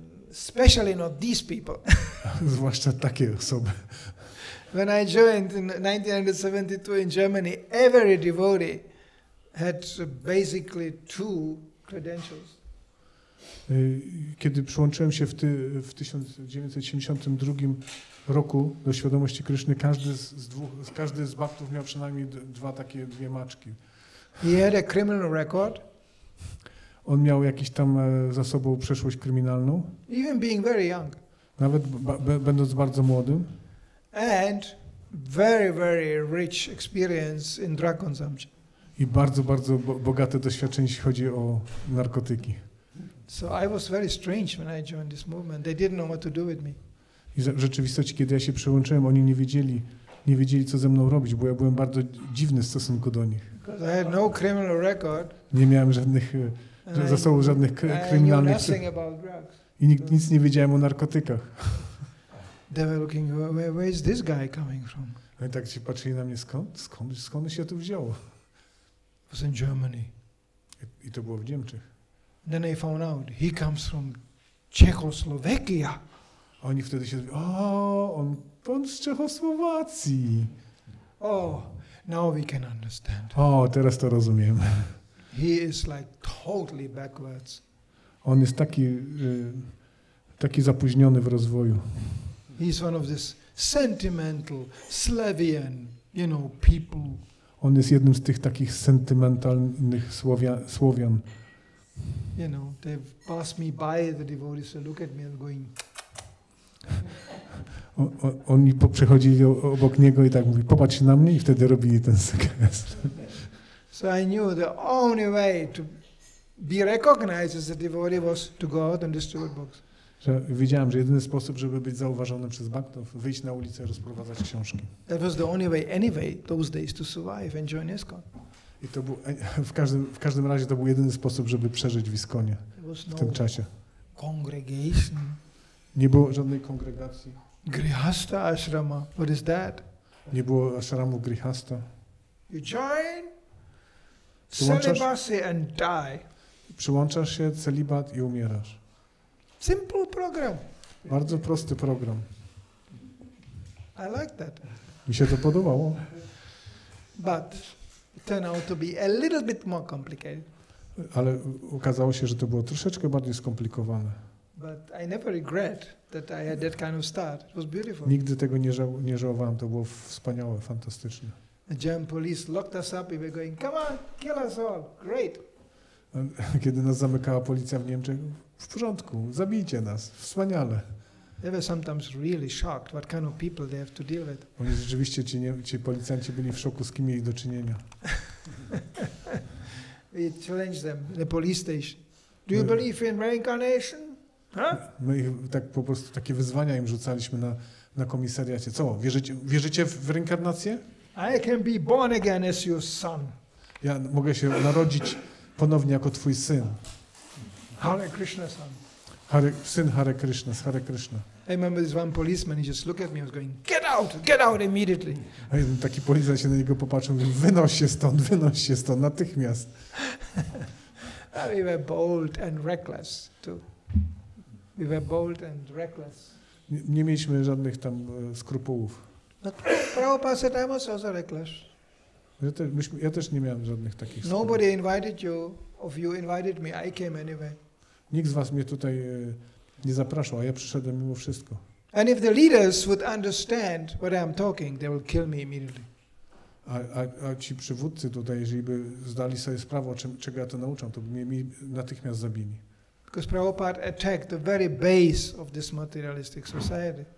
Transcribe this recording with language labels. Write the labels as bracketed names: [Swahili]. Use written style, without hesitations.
[English] Especially not these people. [Polish] Zwłaszcza takie osoby. [English] When I joined in 1972 in Germany, every devotee had basically two credentials. [Polish] Kiedy przyłączyłem się w 1972 roku do świadomości Kryszny, każdy z baptów miał przynajmniej dwie maczki. [English] He had a criminal record. [Polish] On miał jakiś tam za sobą przeszłość kryminalną. [English] Even being very young. [Polish] Nawet będąc bardzo młodym. [English] And very, very rich experience in drug consumption. [Polish] I bardzo, bardzo bogate doświadczenie, jeśli chodzi o narkotyki. [English] So I was very strange when I joined this movement. They didn't know what to do with me. [Polish] I w rzeczywistości, kiedy ja się przyłączyłem, oni nie wiedzieli, co ze mną robić, bo ja byłem bardzo dziwny w stosunku do nich. [English] Because I had no criminal record. [Polish] Nie miałem żadnych za sobą żadnych kryminalnych. [English] I knew nothing about drugs. [Polish] I nic nie wiedziałem o narkotykach. [English] they were looking, where is this guy coming from? [Polish] No i tak ci patrzyli na mnie, skąd się tu wzięło? [English] It was in Germany. [Polish] I to było w Niemczech. [English] Then I found out he comes from Czechoslovakia. [Polish] Oni wtedy się mówią, on z Czechosłowacji. [English] Oh, now we can understand. [Polish] O, teraz to rozumiem. [English] He is like totally backwards. [Polish] On jest taki taki zapóźniony w rozwoju. [English] He is one of this sentimental Slavian, you know, people. [Polish] On jest jednym z tych takich sentymentalnych Słowian. [English] You know, they've passed me by, the devotees, so look at me and going. [Polish] Oni przechodzili obok niego i tak mówi, popatrz na mnie, i wtedy robili ten sekwest. [English] So I knew the only way to be recognized as a devotee was to go out and distribute books. [Polish] Że widziałem, że jedyny sposób, żeby być zauważonym przez Bhaktów, wyjść na ulicę i rozprowadzać książki. [English] That was the only way, anyway, those days to survive and join ISKCON. [Polish] I to był, w każdym razie to był jedyny sposób, żeby przeżyć w ISKCONie w tym czasie. [English] Congregation. [Polish] Nie było żadnej kongregacji. [English] Grihastha ashrama, what is that? [Polish] Nie było ashramu grihastha. [English] You join celibacy and die. [Polish] Przyłączasz się, celibat i umierasz. [English] Simple program. [Polish] Bardzo prosty program. [English] I like that. [Polish] Mi się to podobało. [English] But it turned out to be a little bit more complicated. [Polish] Ale okazało się, że to było troszeczkę bardziej skomplikowane. [English] But I never regret that I had that kind of start. It was beautiful. [Polish] Nigdy tego nie żałowałem. To było wspaniałe, fantastyczne. [English] The German police locked us up. We were going, come on, kill us all. Great. [Polish] Kiedy nas zamykała policja w Niemczech, w porządku, zabijcie nas, wspaniale. [English] They were sometimes really shocked what kind of people they have to deal with. [Polish] Oni rzeczywiście, ci policjanci byli w szoku, z kim mieli do czynienia. [English] We challenged them, the police station. Do you believe in reincarnation? Huh? [Polish] My ich tak po prostu takie wyzwania im rzucaliśmy na komisariacie. Co, wierzycie w reinkarnację? [English] I can be born again as your son. [Polish] Ja mogę się narodzić ponownie jako twój syn. [English] Hare Krishna, son. [Polish] Syn Hare Krishna, z Hare Krishna. [English] I remember this one policeman, he just looked at me and was going, get out immediately. [Polish] A jeden taki policjant się na niego popatrzył, mówił, wynoś się stąd, natychmiast. [English] We were bold and reckless too. We were bold and reckless. [Polish] Nie mieliśmy żadnych tam skrupułów. [English] Prabhupada said, I was also reckless. [Polish] Ja też nie miałem żadnych takich skrupułów. [English] Nobody invited you, of you invited me, I came anyway. [Polish] Nikt z was mnie tutaj nie zapraszał, a ja przyszedłem mimo wszystko. [English] And if the leaders would understand what I'm talking, they will kill me immediately. [Polish] A ci przywódcy tutaj, jeżeli by zdali sobie sprawę, czego ja to nauczam, to by mnie natychmiast zabili. [English] Because Prabhupada attacked the very base of this materialistic society.